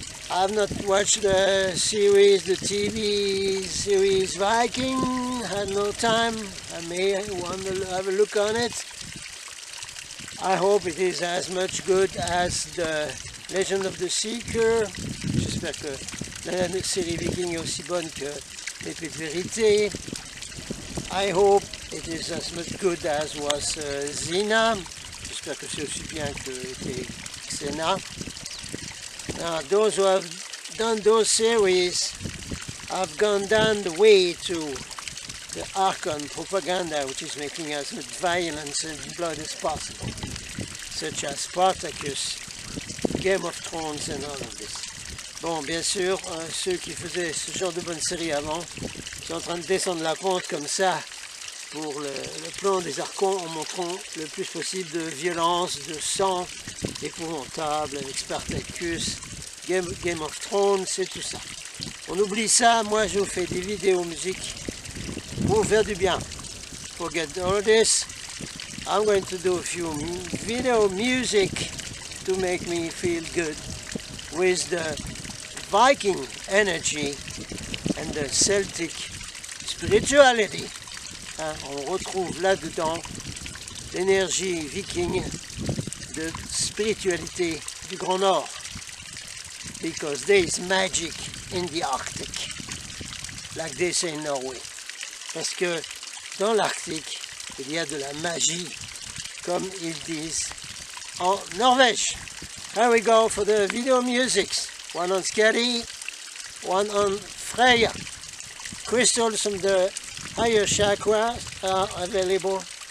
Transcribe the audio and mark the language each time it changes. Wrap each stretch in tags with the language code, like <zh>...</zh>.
<en>I've not watched the series, the TV series Viking, had no time. I may want to have a look on it. I hope it is as much good as the Legend of the Seeker.</en> <fr>J'espère que la série Viking est aussi bonne que l'Épée de Vérité.</fr> <en>I hope it is as much good as was Xena.</en> <fr>J'espère que c'est aussi bien que Xena.</fr> <en>Now, those who have done those series have gone down the way to the Archon propaganda, which is making as much violence and blood as possible, such as Spartacus, Game of Thrones, and all of this.</en> <fr>Bon, bien sûr, ceux qui faisaient ce genre de bonnes séries avant sont en train de descendre la pente comme ça pour le plan des Archons en montrant le plus possible de violence, de sang épouvantable avec Spartacus. Game of Thrones, c'est tout ça. On oublie ça, moi je vous fais des vidéos musique pour faire du bien.</fr> <en>Forget all this. I'm going to do a few video music to make me feel good with the Viking energy and the Celtic spirituality.</en> <fr>Hein, on retrouve là-dedans l'énergie viking de spiritualité du Grand Nord.</fr> <en>because there is magic in the Arctic, like they say in Norway.</en> <fr>Parce que dans l'Arctique, il y a de la magie, comme ils disent en Norvège.</fr> <en>Here we go for the video musics. One on Skadi, one on Freya. Crystals from the higher chakra are available.</en>